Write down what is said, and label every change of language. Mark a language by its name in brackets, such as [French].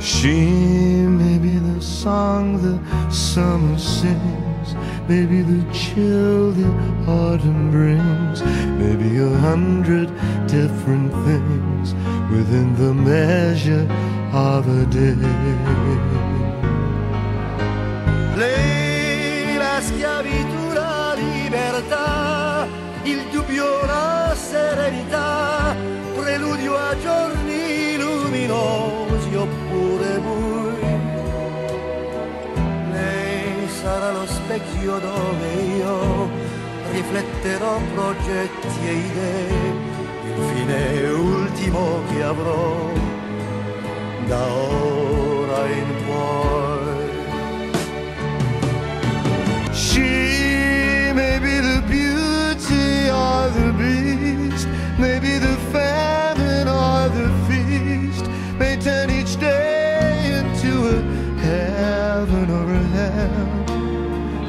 [English] She may be the song the summer sings, maybe the chill the autumn brings, maybe 100 different things within the measure of a day. [Italian] Lei, la schiavitù, la libertà, il dubbio, la serenità, preludio a giorni luminosi, oppure voi. Lei sarà lo specchio dove io rifletterò progetti e idee, infine ultimo che avrò da ora in poi. [English] She may be the beauty or the beast, may be the famine or the feast, may turn each day into a heaven or a hell.